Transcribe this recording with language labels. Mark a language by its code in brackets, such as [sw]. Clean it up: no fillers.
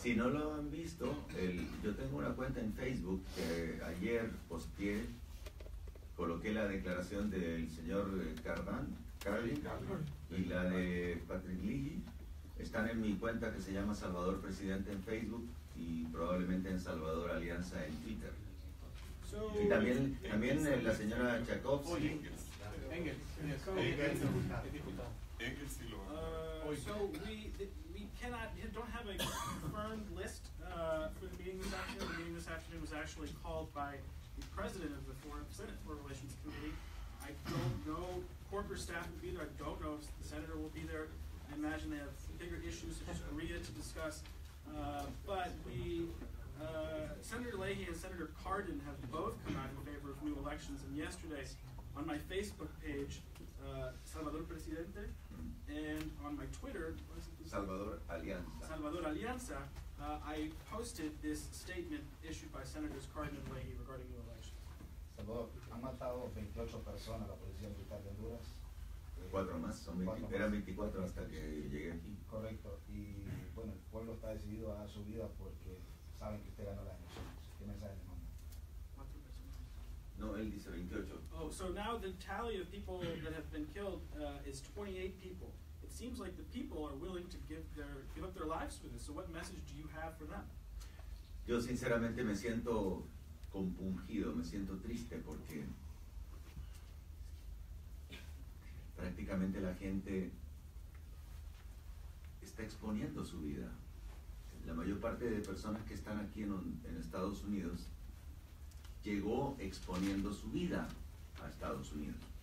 [es] Si no lo han visto, yo tengo una cuenta en Facebook que ayer posteé, coloqué la declaración del señor Carvin, y la de Patrick Leahy. Están en mi cuenta, que se llama Salvador Presidente en Facebook, y probablemente en Salvador Alianza en Twitter. Y también la señora Chakovsky. [en] Engels. We don't have a confirmed list for the meeting this afternoon. The meeting this afternoon was actually called by the president of the Senate Foreign Relations Committee. I don't know. Corker staff will be there. I don't know if the senator will be there. I imagine they have bigger issues such as Korea to discuss. But we, Senator Leahy and Senator Cardin have both come out in favor of new elections. And yesterday, on my Facebook page, Salvador Presidente, and on my Twitter, Salvador Alianza. Salvador Alianza, I posted this statement issued by Senators Cardin and Leahy regarding new elections. [es] Salvador, han matado 28 personas la policía militar de Honduras. Cuatro más, son 20, era 24 hasta que llegué aquí. Correcto, y bueno, el pueblo está decidido a dar su vida porque saben que usted ganó las elecciones. ¿Qué mensaje le manda? Cuatro personas. No, él dice 28. [en] Oh, so now the tally of people that have been killed is 28 people. It seems like the people are willing to give up their lives for this. So what message do you have for them? [es] Yo sinceramente me siento compungido, me siento triste porque prácticamente la gente está exponiendo su vida. La mayor parte de personas que están aquí en Estados Unidos llegó exponiendo su vida a Estados Unidos.